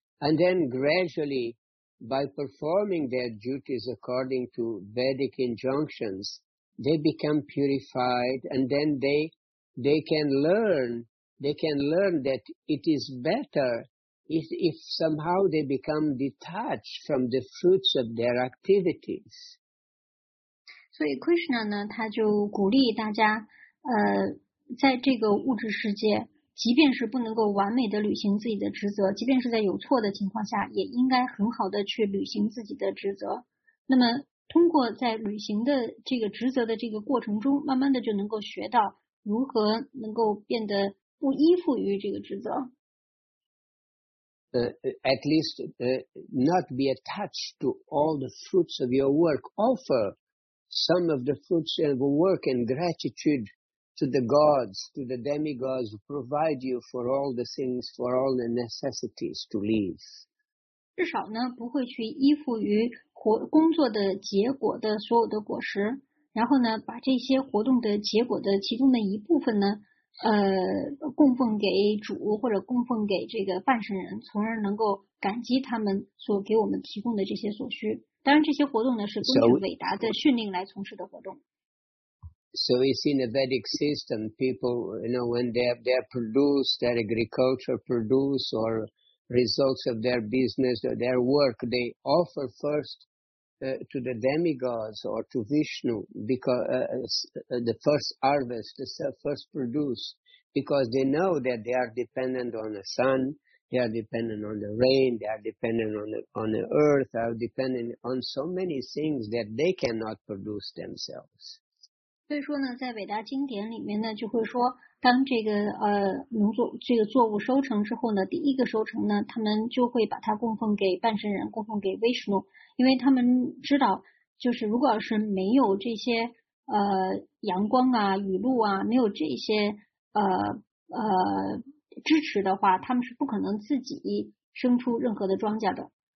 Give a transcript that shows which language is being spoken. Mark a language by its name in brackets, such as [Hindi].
[English] And then gradually, by performing their duties according to Vedic injunctions, they become purified and then they can learn that it is better if somehow they become detached from the fruits of their activities. [Chinese] 所以 Krishna 呢，他就鼓励大家，在这个物质世界，即便是不能够完美的履行自己的职责，即便是在有错的情况下，也应该很好的去履行自己的职责。那么，通过在履行的这个职责的这个过程中，慢慢的就能够学到如何能够变得不依附于这个职责。 [English] At least, not be attached to all the fruits of your work. Offer some of the fruits of your work in gratitude to the gods, to the demigods who provide you for all the things, for all the necessities to live. [Chinese] 至少呢，不会去依附于工作的结果的所有的果实，然后呢，把这些活动的结果的其中的一部分呢，供奉给主或者供奉给这个半神人，从而能够感激他们所给我们提供的这些所需。当然，这些活动呢是根据伟达的训令来从事的活动。 [English] So it's in the Vedic system, people, you know, when they're produce, their agriculture produce or results of their business or their work, they offer first to the demigods or to Vishnu because the first harvest, the first produce, because they know that they are dependent on the sun, they are dependent on the rain, they are dependent on the earth, are dependent on so many things that they cannot produce themselves. [Chinese] 所以说呢，在伟大经典里面呢，就会说，当这个这个作物收成之后呢，第一个收成呢，他们就会把它供奉给半神人，供奉给 Vishnu， 因为他们知道，就是如果要是没有这些阳光啊、雨露啊，没有这些支持的话，他们是不可能自己生出任何的庄稼的。